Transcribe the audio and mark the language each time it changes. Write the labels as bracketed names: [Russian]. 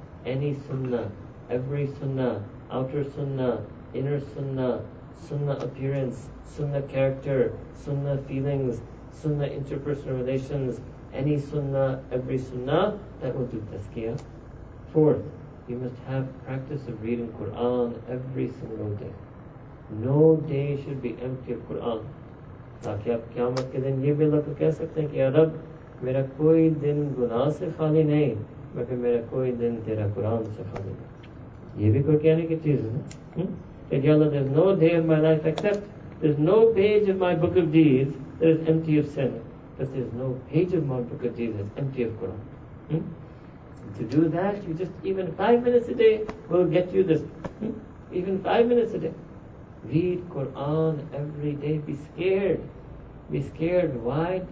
[English] Any sunnah, every sunnah, outer sunnah, inner sunnah, sunnah appearance, sunnah character, sunnah feelings, sunnah interpersonal relations, any sunnah, every sunnah, that will do tazkiyah. Fourth, you must have practice of reading Quran every single day. No day should be empty of Quran. [Urdu] تاکہ آپ قیامت کے دن یہ بھی اللہ کو کہہ سکتے ہیں کہ یا رب، میرا کوئی دن گناہ سے خالی نہیں، مگر میرا کوئی دن تیرا قرآن سے خالی نہیں۔ یہ بھی کوئی کہنے کی چیز ہے۔ [English] That ya Allah, there's no day in my life except there's no page of my book of deeds that is empty of sin. Because there's no page of my book of deeds that's empty of Quran. To do that, you just, even 5 minutes a day will get you this. Even 5 minutes a day. Read Quran every day. Be scared. Be scared. Why?